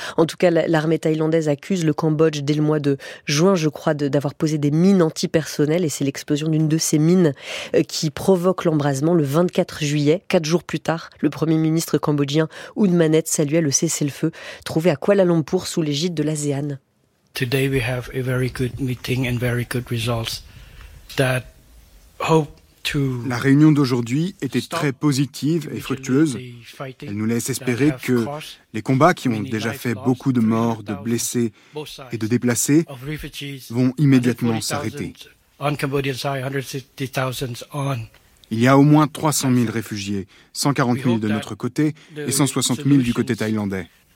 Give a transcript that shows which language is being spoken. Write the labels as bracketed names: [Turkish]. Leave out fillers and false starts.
[French] En tout cas, l'armée thaïlandaise accuse le Cambodge dès le mois de juin, je crois, d'avoir posé des mines antipersonnelles, et c'est l'explosion d'une de ces mines qui provoque l'embrasement le 24 juillet. 4 jours plus tard, le premier ministre cambodgien Hun Manet saluait le cessez-le-feu trouvé à Kuala Lumpur sous l'égide de l'ASEAN. [English] Today we have a very good meeting and very good results that hope. [French] La réunion d'aujourd'hui était très positive et fructueuse. Elle nous laisse espérer que les combats qui ont déjà fait beaucoup de morts, de blessés et de déplacés vont immédiatement s'arrêter. Il y a au moins 300 000 réfugiés, 140 000 de notre côté et 160 000 du côté thaïlandais.